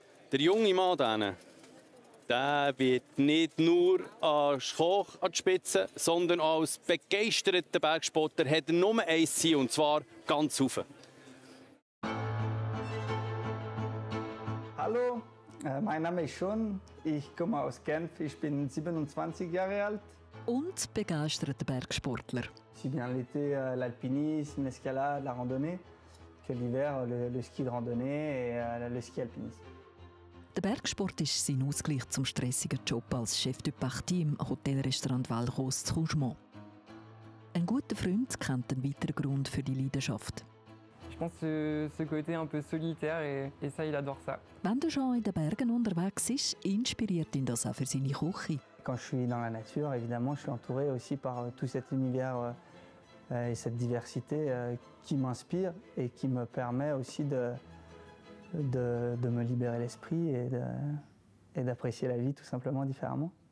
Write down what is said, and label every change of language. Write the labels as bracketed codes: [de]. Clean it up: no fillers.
[de] Der junge Mann hier, der wird nicht nur als Koch an die Spitze, sondern als begeisterter Bergsportler hat er nur ein Ziel, und zwar ganz hoch. Hallo, mein Name ist Sean, ich komme aus Genf, ich bin 27 Jahre alt. Und begeisterter Bergsportler. Ich bin in [fr] l'alpinisme, l'escalade, la randonnée, que l'hiver, le ski de randonnée et le ski alpinisme. [de] Der Bergsport ist sein Ausgleich zum stressigen Job als Chef de Partie im Hotelrestaurant Valros zu Couchemont. Ein guter Freund kennt den weiteren Grund für die Leidenschaft. Ich denke, [fr] ce côté un peu solitaire et ça, il adore ça. [de] Wenn du schon in den Bergen unterwegs ist, inspiriert ihn das auch für seine Küche. [fr] Quand je suis dans la nature, évidemment, je suis entouré aussi par tout cet univers et cette diversité qui m'inspire et qui me permet aussi de me libérer l'esprit et d'apprécier la vie tout simplement différemment.